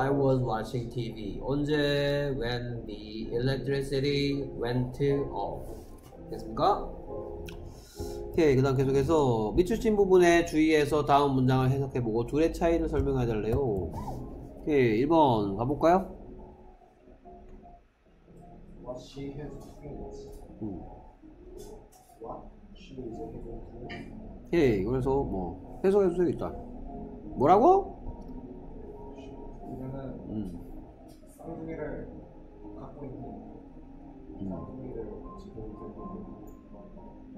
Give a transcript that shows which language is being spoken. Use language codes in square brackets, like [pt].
[en] I was watching TV. [ko] 언제? [en] When the electricity went off. [ko] 됐습니까? 오케이, 그 다음 계속해서 밑줄 친 부분에 주의해서 다음 문장을 해석해보고 둘의 차이를 설명해달래요. 오케이, 1번 가볼까요? [en] What she has to do is What she is able to do. [ko] 오케이, 그래서 뭐 해석해주세요. 일단 뭐라고? 이거는 쌍둥이를 갖고 있는 쌍둥이를 지금